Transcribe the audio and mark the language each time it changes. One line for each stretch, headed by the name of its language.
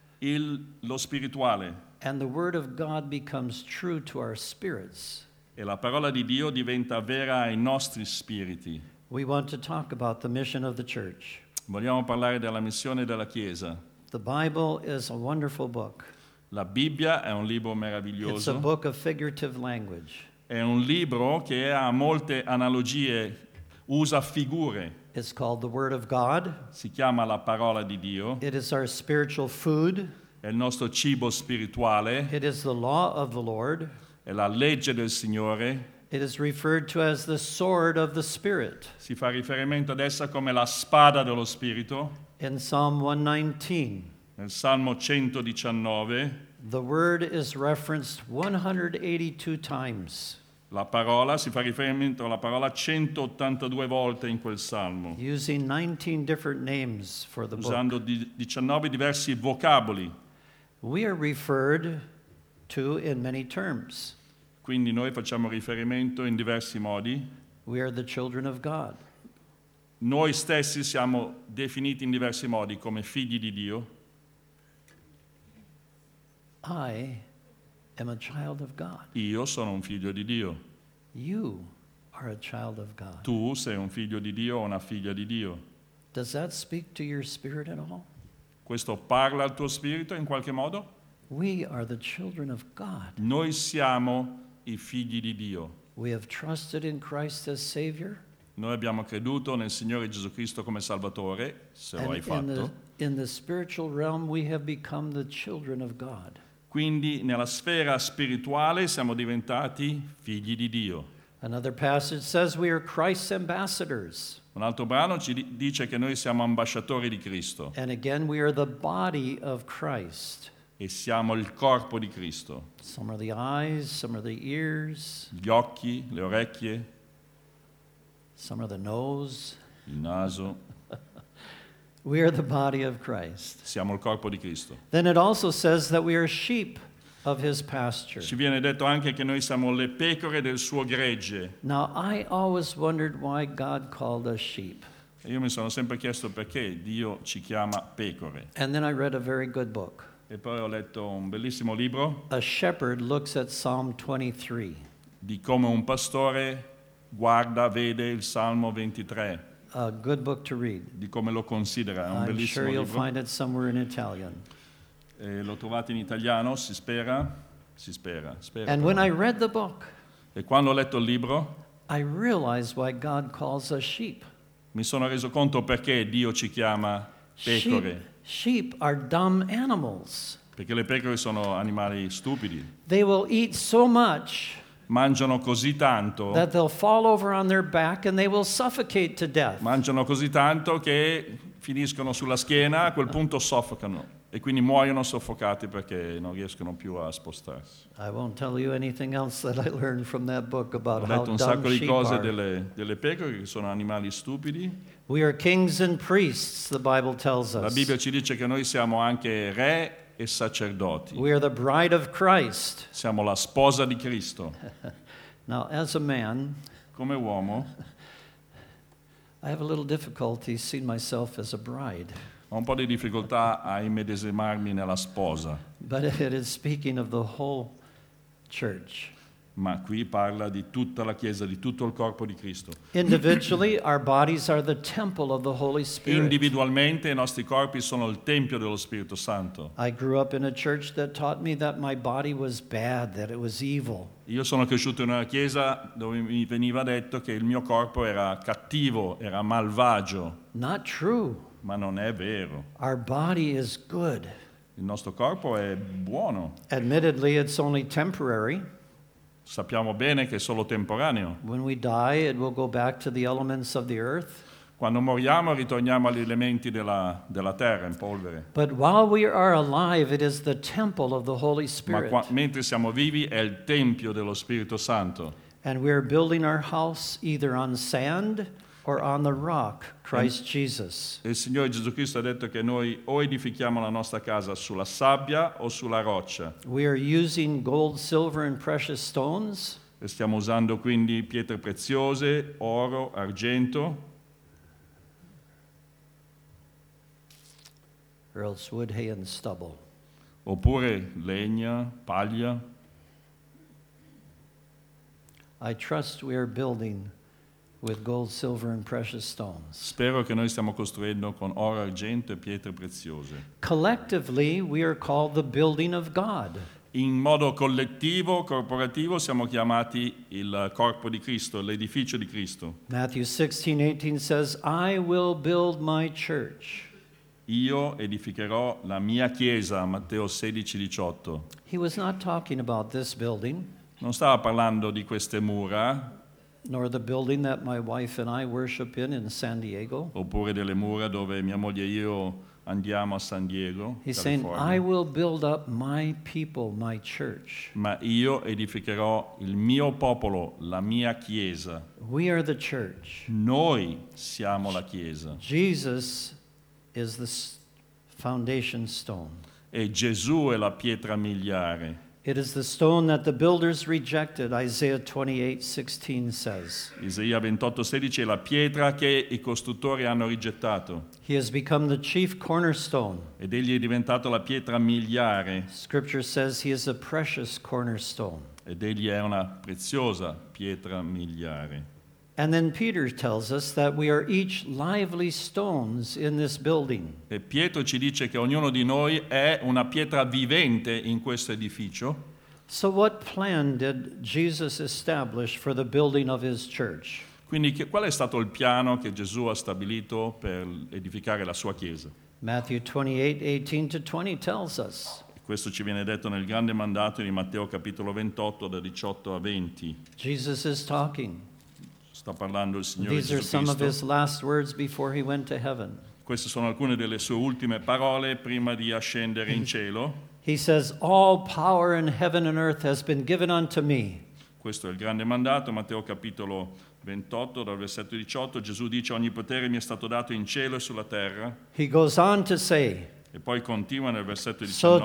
Italian: lo spirituale.
English: And the word of God becomes true to our spirits.
Italian: E la parola di Dio diventa vera ai nostri spiriti.
English: We want to talk about the mission of the church.
Italian: Vogliamo parlare della missione della Chiesa.
English: The Bible is a wonderful book.
Italian: La Bibbia è un libro meraviglioso.
English: It's a book of figurative language.
Italian: È un libro che ha molte analogie, usa figure.
English: It's called the Word of God.
Italian: Si chiama la parola di Dio.
English: It is our spiritual food.
Italian: È il nostro cibo spirituale.
English: It is the law of the Lord.
Italian: È la legge del Signore.
English: It is referred to as the sword of the Spirit.
Italian: Si fa riferimento ad essa come la spada dello Spirito.
English: In Psalm 119.
Italian: Nel Salmo 119.
English: The word is referenced 182 times.
Italian: La parola, si fa riferimento alla parola 182 volte in quel Salmo.
English: Using 19 different names for the
Italian: usando
English: book.
Italian: Usando 19 diversi vocaboli.
English: We are referred to in many terms.
Italian: Quindi noi facciamo riferimento in diversi modi.
English: We are the children of God.
Italian: Noi stessi siamo definiti in diversi modi come figli di Dio.
English: I am a child of God.
Italian: Io sono un figlio di Dio.
English: You are a child of God.
Italian: Tu sei un figlio di Dio o una figlia di Dio.
English: Does that speak to your spirit at all?
Italian: Questo parla al tuo spirito in qualche modo?
English: We are the children of God.
Italian: Noi siamo i figli di Dio.
English: We have trusted in Christ as Savior.
Italian: Noi abbiamo creduto nel Signore Gesù Cristo come Salvatore, se
English: and
Italian: lo hai fatto.
English: In the spiritual realm we have become the children of God.
Italian: Quindi nella sfera spirituale siamo diventati figli di Dio.
English: Another passage says we are Christ's ambassadors.
Italian: Un altro brano ci dice che noi siamo ambasciatori di Cristo.
English: And again we are the body of Christ.
Italian: E siamo il corpo di Cristo.
English: Some are the eyes, some are the ears.
Italian: Gli occhi, le orecchie.
English: Some are the nose.
Italian: Il naso.
English: We are the body of Christ.
Italian: Siamo il corpo di Cristo.
English: Then it also says that we are sheep of his pasture.
Italian: Ci viene detto anche che noi siamo le pecore del suo gregge.
English: Now I always wondered why God called us sheep.
Italian: E io mi sono sempre chiesto perché Dio ci chiama pecore.
English: And then I read a very good book.
Italian: E poi ho letto un bellissimo libro.
English: A shepherd looks at Psalm 23.
Italian: Di come un pastore guarda, vede il Salmo 23.
English: A good book to read.
Italian: Di come lo considera, è un
English: I'm
Italian: bellissimo
English: sure you'll
Italian: libro.
English: Find it somewhere in Italian.
Italian: E lo trovate in italiano, si spera.
English: And when I read the book,
Italian: e quando ho letto il libro,
English: I realized why God calls us sheep.
Italian: Mi sono reso conto perché Dio ci chiama pecore.
English: Sheep are dumb animals.
Italian: Perché le pecore sono animali stupidi.
English: They will eat so much.
Italian: Mangiano così tanto.
English: That they'll fall over on their back and they will suffocate to death.
Italian: Mangiano così tanto che finiscono sulla schiena, a quel punto soffocano e quindi muoiono soffocati perché non riescono più a spostarsi.
English: I won't tell you anything else that I learned from that book about how dumb sheep are.
Italian: Ho letto un sacco di cose delle pecore che sono animali stupidi.
English: We are kings and priests, the Bible tells us.
Italian: La Bibbia ci dice che noi siamo anche re e sacerdoti.
English: We are the bride of Christ.
Italian: Siamo la sposa di Cristo.
English: Now, as a man,
Italian: come uomo,
English: I have a little difficulty seeing myself as a bride.
Italian: Ho un po' di difficoltà a immedesimarmi nella sposa.
English: But it is speaking of the whole church.
Italian: Ma qui parla di tutta la Chiesa, di tutto il corpo di Cristo.
English: Individually, our bodies are the temple of the Holy Spirit.
Italian: Individualmente, i nostri corpi sono il tempio dello Spirito Santo.
English: I grew up in a church that taught me that my body was bad, that it was evil.
Italian: Io sono cresciuto in una chiesa dove mi veniva detto che il mio corpo era cattivo, era malvagio.
English: Not true.
Italian: Ma non è vero.
English: Our body is good.
Italian: Il nostro corpo è buono.
English: Admittedly, it's only temporary.
Italian: Sappiamo bene che è solo temporaneo.
English: When we die, it will go back to the elements of the earth.
Italian: Quando moriamo, ritorniamo agli elementi della terra, in polvere.
English: But while we are alive, it is the temple of the Holy Spirit.
Italian: Ma mentre siamo vivi, è il tempio dello Spirito Santo.
English: And we are building our house either on sand or on the rock, Christ Jesus.
Italian: Il Signore Gesù Cristo ha detto che noi o edifichiamo la nostra casa sulla sabbia o sulla roccia.
English: We are using gold, silver, and precious stones.
Italian: E stiamo usando quindi pietre preziose, oro, argento.
English: Or else wood, hay, and stubble.
Italian: oppure legna, paglia.
English: I trust we are building with gold, silver and precious stones.
Italian: Spero che noi stiamo costruendo con oro, argento e pietre preziose.
English: Collectively we are called the building of God.
Italian: In modo collettivo, corporativo, siamo chiamati il corpo di Cristo, l'edificio di Cristo.
English: Matthew 16:18 says, I will build my church.
Italian: Io edificherò la mia chiesa, Matteo 16:18.
English: He was not talking about this building.
Italian: Non stava parlando di queste mura.
English: Nor the building that my wife and I worship in San Diego.
Italian: Oppure delle mura dove mia moglie e io andiamo a San Diego.
English: He's saying, I will build up my people, my church.
Italian: Ma io edificherò il mio popolo, la mia chiesa.
English: We are the church.
Italian: Noi siamo la chiesa.
English: Jesus is the foundation stone.
Italian: E Gesù è la pietra miliare.
English: It is the stone that the builders rejected, Isaiah 28:16 says.
Italian: Isaia 28:16 è la pietra che i costruttori hanno rigettato.
English: He has become the chief cornerstone.
Italian: Ed egli è diventato la pietra miliare.
English: Scripture says he is a precious cornerstone.
Italian: Ed egli è una preziosa pietra miliare.
English: And then Peter tells us that we are each lively stones in this building.
Italian: E Pietro ci dice che ognuno di noi è una pietra vivente in questo edificio.
English: So what plan did Jesus establish for the building of his church?
Italian: Quindi qual è stato il piano che Gesù ha stabilito per edificare la sua chiesa?
English: Matthew 28:18-20 tells us.
Italian: Questo ci viene detto nel grande mandato di Matteo capitolo 28 da 18 a 20.
English: Jesus is talking.
Italian: Sta parlando il Signore Gesù Cristo.
English: Some of his last words before he went to heaven.
Italian: Queste sono alcune delle sue ultime parole prima di ascendere in cielo.
English: He says, all power in heaven and earth has been given unto me.
Italian: Questo è il grande mandato, Matteo capitolo 28, dal versetto 18. Gesù dice, ogni potere mi è stato dato in cielo e sulla terra.
English: He goes on to say,
Italian: e poi continua nel versetto 19.